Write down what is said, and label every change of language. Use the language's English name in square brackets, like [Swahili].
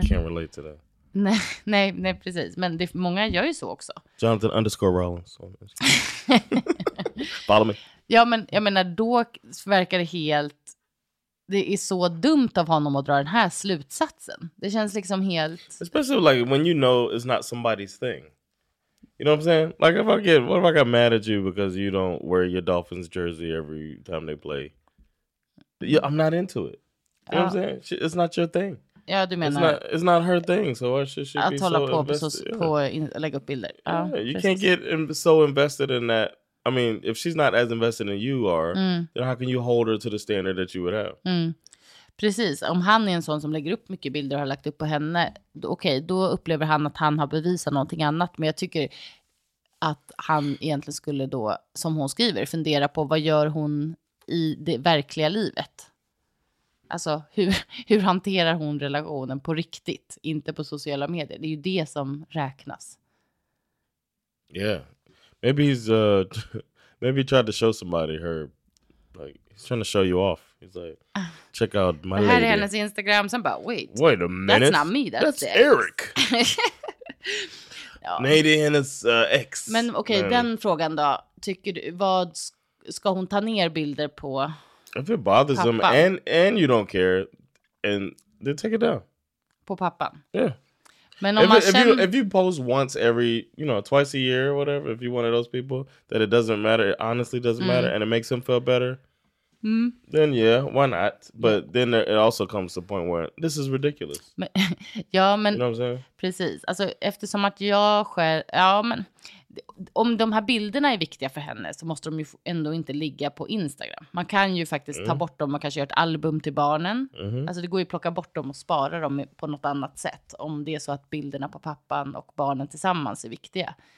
[English] Can't relate to that. [Swedish] Nej, nej, nej, precis. Men det, många gör ju så också. [English] Jonathan underscore Rollins. Follow me. [Swedish] Ja, men jag menar, då verkar det helt... Det är så dumt av honom att dra den här slutsatsen. Det känns liksom helt... [English] Especially like when you know it's not somebody's thing. You know what I'm saying? Like, if I get, what if I got mad at you because you don't wear your Dolphins jersey every time they play? Yeah, I'm not into it. You know what I'm saying? It's not your thing. [Swedish] Ja, du menar... [English] it's not her thing, so why should she be so [Swedish] hålla på [English] invested? [Swedish] På lägga upp bilder. [English] Yeah, you can't get so invested in that. I mean, if she's not as invested in you are, then how can you hold her to the standard that you would have? Mm. [Swedish] Precis, om han är en sån som lägger upp mycket bilder och har lagt upp på henne, okej, okay, då upplever han att han har bevisat någonting annat. Men jag tycker att han egentligen skulle då, som hon skriver, fundera på vad gör hon i det verkliga livet? Alltså, hur hanterar hon relationen på riktigt? Inte på sociala medier, det är ju det som räknas. [English] Yeah, maybe he's, maybe he tried to show somebody her, like, he's trying to show you off. He's like, check out my lady. [Swedish] Här är hennes Instagram, så bara, [English] wait a minute. That's not me, that's [Swedish] Eric. Eric. Ja. Nej, det är hennes ex. Men okej, okay, den frågan då, tycker du, vad ska hon ta ner bilder på? [English] If it bothers them and you don't care, and they take it down. [Swedish] På pappan? [English] Yeah. [Swedish] Men om [English] if you post once every, you know, twice a year or whatever, if you're one of those people, that it doesn't matter, it honestly doesn't matter, and it makes them feel better, then yeah, why not? But then it also comes to the point where this is ridiculous. [Swedish] Men, ja, men... [English] You know what I'm saying? [Swedish] Precis. Alltså, eftersom att jag själv... Ja, men... Om de här bilderna är viktiga för henne så måste de ju ändå inte ligga på Instagram. Man kan ju faktiskt ta bort dem och kanske göra ett album till barnen. Mm. Alltså det går ju att plocka bort dem och spara dem på något annat sätt. Om det är så att bilderna på pappan och barnen tillsammans är viktiga.